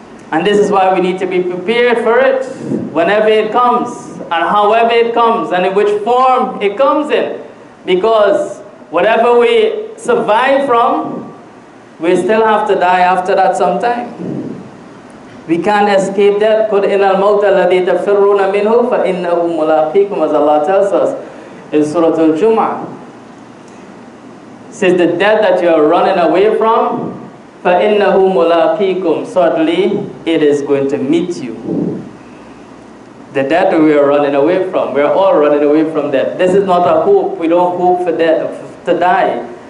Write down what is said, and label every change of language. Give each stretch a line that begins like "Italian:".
English: And this is why we need to be prepared for it whenever it comes and however it comes and in which form it comes in. Because whatever we survive from, we still have to die after that sometime. We can't escape that.
Arabic: قُلْ إِنَّ الْمَوْتَ الَّذِي تَفِرُّونَ مِنْهُ فَإِنَّهُ مُلَاقِيكُمْ,
English: as Allah tells us in Surah Al-Jum'ah. Says the death that you are running away from,
Arabic: فَإِنَّهُ مُلَاقِيكُمْ,
English: certainly it is going to meet you. The death we are running away from, we are all running away from death. This is not a hope. We don't hope for death, to die.